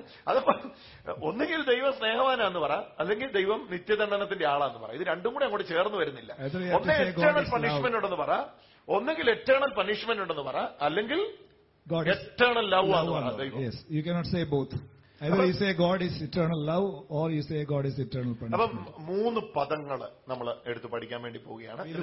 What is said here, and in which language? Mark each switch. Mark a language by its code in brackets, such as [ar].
[ml] അതപ്പോ ഒന്നുകിൽ ദൈവ സ്നേഹവാനാന്ന് പറ, അല്ലെങ്കിൽ ദൈവം നിത്യദണ്ഡനത്തിന്റെ ആളാന്ന് പറ. ഇത് രണ്ടും കൂടെ അങ്ങോട്ട് ചേർന്ന് വരുന്നില്ല. ഒന്ന് [en] eternal punishment [ml] ഉണ്ടെന്ന് പറ, ഒന്നുകിൽ എറ്റേണൽ പണിഷ്മെന്റ് ഉണ്ടെന്ന് പറ, അല്ലെങ്കിൽ [en] eternal love [ml] ആണ് ദൈവം. [en] You cannot say both. Either you say God is eternal love or you say God is eternal punishment. [ml] അപ്പോൾ മൂന്ന് പദങ്ങൾ നമ്മൾ എടുത്തു പഠിക്കാൻ വേണ്ടി പോവുകയാണ്.